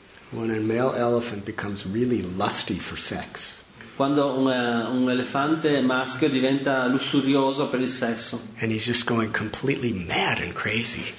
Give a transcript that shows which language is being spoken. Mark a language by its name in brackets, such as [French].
[English] When a male elephant becomes really lusty for sex. [Italian] Quando un elefante maschio diventa lussurioso per il sesso. [English] And he's just going completely mad and crazy.